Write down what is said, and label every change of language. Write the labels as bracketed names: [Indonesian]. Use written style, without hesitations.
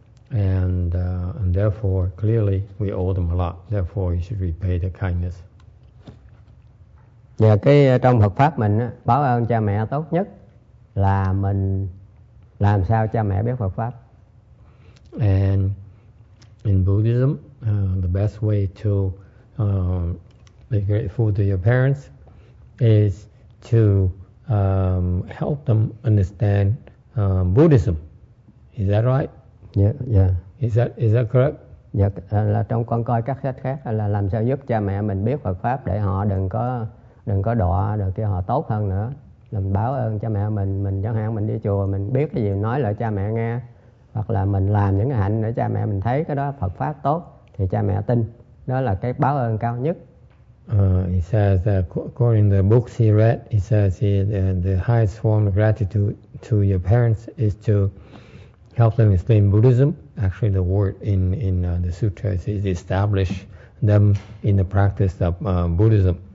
[English] And therefore, clearly, we owe them a lot. Therefore, you should repay the kindness. [Vietnamese] Và cái trong Phật pháp mình á, báo ơn cha mẹ tốt nhất là mình làm sao cha mẹ biết Phật pháp. [English] And in Buddhism, the best way to be grateful to your parents is to help them understand Buddhism. Is that right? Yeah. Is that correct? [Vietnamese] Yeah, là trong con coi các sách khác là làm sao giúp cha mẹ mình biết Phật pháp để họ đừng có đọa được cái họ tốt hơn nữa. Làm báo ơn cha mẹ mình chẳng hạn mình đi chùa mình biết cái gì nói lại cho cha mẹ nghe, hoặc là mình làm những cái hạnh để cha mẹ mình thấy cái đó Phật pháp tốt thì cha mẹ tin. Đó là cái báo ơn cao nhất. [English] He says that according to the books he read, he says the highest form of gratitude to your parents is to help them explain Buddhism. Actually, the word in the sutras is establish them in the practice of Buddhism.